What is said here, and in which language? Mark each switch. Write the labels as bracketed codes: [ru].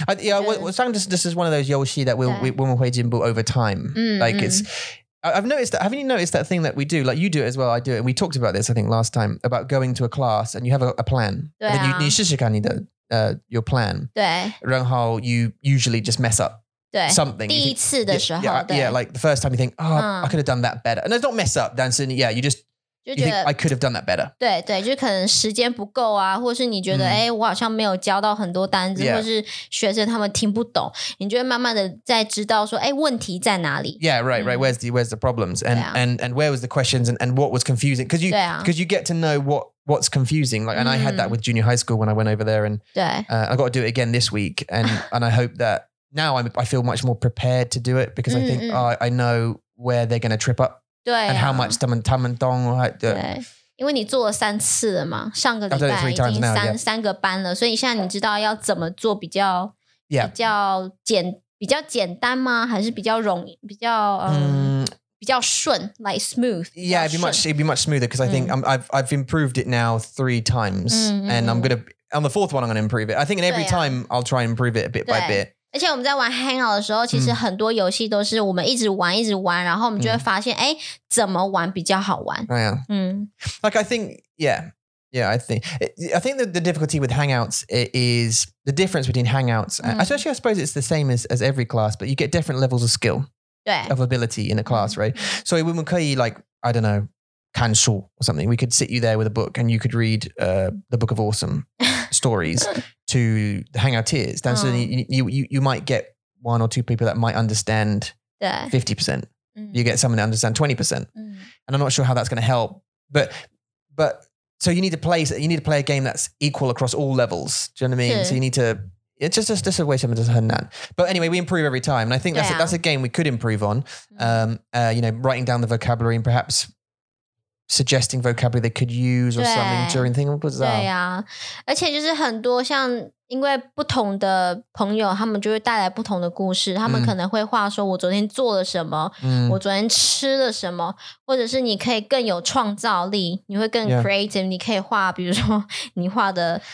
[en] This is one of those [zh] 游戏 [en] that we [zh] 会进步 [en] over time like it's I've noticed that haven't you noticed that thing that we do like you do it as well I do it and we talked about this I think last time about going to a class and you have a plan [zh] 对啊 [en] then you [zh] 试试看你的 [en] your plan [zh] 对然后 [en] you usually just mess up [zh] 对 [en] something [zh] 第一次的时候 [en] yeah, like the first time you think I could have done that better and it's not mess up dancing yeah you just [zh] 就觉得 [en] you think, I could have done that better [zh] 对就可能时间不够啊或是你觉得我好像没有教到很多单字或是学生他们听不懂你就会慢慢的在知道说问题在哪里 [en] yeah right where's the problems and where was the questions and what was confusing because you get to know what's confusing like and I had that with junior high school when I went over there and I got to do it again this week and I hope thatNow I feel much more prepared to do it because I think I know where they're going to trip up [zh] 对、啊、 [en] and how much [zh] 他们 [en] dong [zh] 因为你做了三次了嘛上个礼拜已经 三个班了所以现在你知道要怎么做比较、 [en] yeah. [zh] 比较简单吗还是比较容易比较、比较顺 [en] like smooth Yeah it'd be much smoother because I think I've improved it now three times and I'm going to on the fourth one I'm going to improve it I think in every time I'll try and improve it a bit by bit [zh] 而且我们在玩 Hangout 的时候其实很多游戏都是我们一直玩然后我们就会发现怎么玩比较好玩。 [en] Oh, yeah. Like I think, I think the difficulty with Hangouts is the difference between Hangouts, especially I suppose it's the same as every class, but you get different levels of skill, of ability in a class, right? So we could like, I don't know, [zh] 看书 [en] or something, we could sit you there with a book and you could read the Book of Awesome stories. to the hangouteers. Then you might get one or two people that might understand 50%. You get someone that understands 20%. And I'm not sure how that's going to help. But so you need to play a game that's equal across all levels. Do you know what I mean? So you need to, it's just a way someone doesn't hurt that. But anyway, we improve every time. And I think that's a game we could improve on. Writing down the vocabulary and perhaps suggesting vocabulary they could use or something during the thing. What was that? Yeah. [zh] 而且就是很多像因为不同的朋友他们就会带来不同的故事他们可能会画说我昨天做了什么我昨天吃了什么或者是你可以更有创造力你会更 [en] creative、yeah. [zh] 你可以画比如说你画的,